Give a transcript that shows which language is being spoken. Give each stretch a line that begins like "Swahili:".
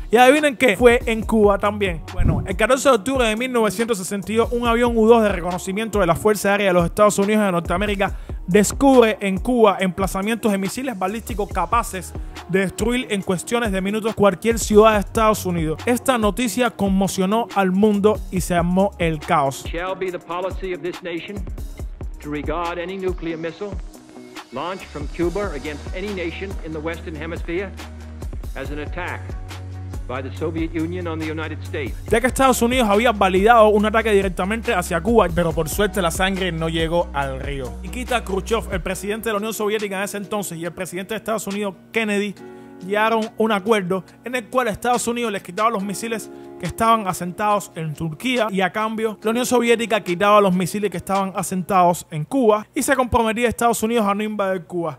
Spanish: Y adivinen qué, fue en Cuba también. Bueno, el 14 de octubre de 1962, un avión U-2 de reconocimiento de la Fuerza Aérea de los Estados Unidos de Norteamérica descubre en Cuba emplazamientos de misiles balísticos capaces de destruir en cuestiones de minutos cualquier ciudad de Estados Unidos. Esta noticia conmocionó al mundo y se armó el caos.
English: Shall be the policy of this nation to regard any nuclear missile launched from Cuba against any nation in the Western Hemisphere as an attack by the Soviet Union on the United States.
Spanish: Ya que Estados Unidos había validado un ataque directamente hacia Cuba, pero por suerte la sangre no llegó al río. Nikita Khrushchev, el presidente de la Unión Soviética en ese entonces, y el presidente de Estados Unidos, Kennedy, llegaron a un acuerdo en el cual Estados Unidos les quitaba los misiles que estaban asentados en Turquía y a cambio la Unión Soviética quitaba los misiles que estaban asentados en Cuba y se comprometía Estados Unidos a no invadir Cuba.